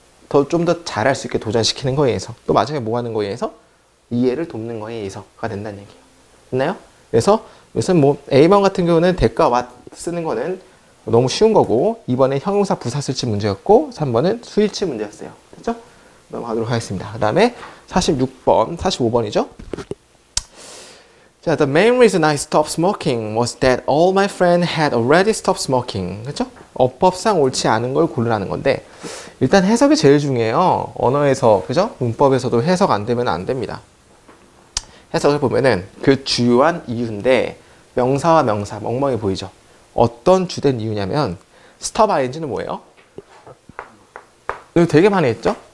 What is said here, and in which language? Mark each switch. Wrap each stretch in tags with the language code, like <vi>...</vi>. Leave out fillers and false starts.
<ko>더 좀 더 잘할 수 있게 도전시키는 거에 의해서 또 마지막에 뭐 하는 거에 의해서 이해를 돕는 거에 의해서가 된다는 얘기예요. 됐나요? 그래서 요새 뭐 A번 같은 경우는 대과와 쓰는 거는 너무 쉬운 거고 2번에 형용사 부사 쓸지 문제였고 3번은 수일치 문제였어요. 됐죠? 넘어가도록 하겠습니다. 그 다음에 46번, 45번이죠?</ko> <en>자, the main reason I stopped smoking was that all my friends had already stopped smoking.</en> <ko>그렇죠? 어법상 옳지 않은 걸 고르라는 건데 일단 해석이 제일 중요해요. 언어에서, 그죠? 문법에서도 해석 안 되면 안 됩니다. 해석을 보면은 그 주요한 이유인데 명사와 명사, 멍멍이 보이죠? 어떤 주된 이유냐면 stop ing는 뭐예요? 여기 되게 많이 했죠?</ko>